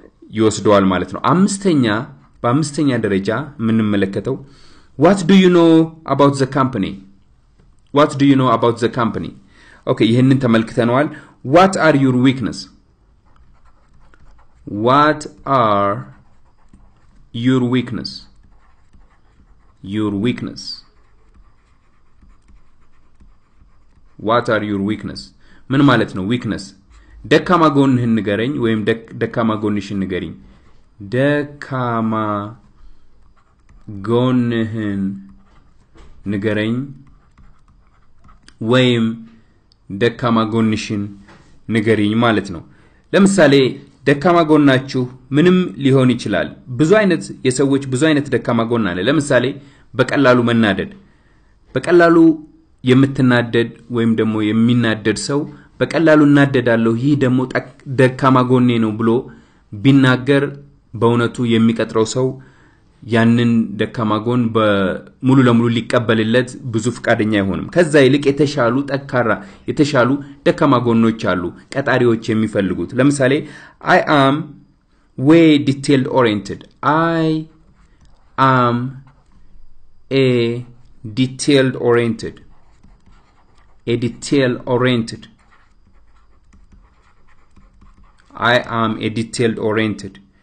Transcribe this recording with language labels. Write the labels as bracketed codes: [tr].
[am] ይወስደዋል ማለት ነው። አምስተኛ በአምስተኛ ደረጃ ምን መለከተው? [en] What do you know about the company? What do you know about the company? Okay, [am] ይሄንን ተመልክተናል። [en] What are your weaknesses? What are your weaknesses? Your weakness. What are your weaknesses? [am] ምን ማለት ነው weakness? ደካማ ጎንህን ንገረኝ ወይም ደካማ ጎንሽን ንገረኝ። ደካማ ጎንህን ንገረኝ ወይም ደካማ ጎንሽን ንገረኝ ማለት ነው። ለምሳሌ ደካማ ጎናችሁ ምንም ሊሆን ይችላል። ብዙ አይነት የሰዎች ብዙ አይነት ደካማ ጎን አለ። ለምሳሌ በቀላሉ መናደድ። በቀላሉ የምትናደድ ወይም ደግሞ የሚናደድ ሰው በቀላሉ እናደዳለሁ ይሄ ደግሞ ደካማ ጎኔ ነው ብሎ ቢናገር በእውነቱ የሚቀጥረው ሰው ያንን ደካማ ጎን በሙሉ ለሙሉ ሊቀበልለት ብዙ ፍቃደኛ አይሆንም። ከዛ ይልቅ የተሻሉ ጠካራ የተሻሉ ደካማ ጎኖች አሉ ቀጣሪዎች የሚፈልጉት። ለምሳሌ [en] I am way detailed oriented. I am a detailed oriented. A detail oriented. I am a detailed oriented.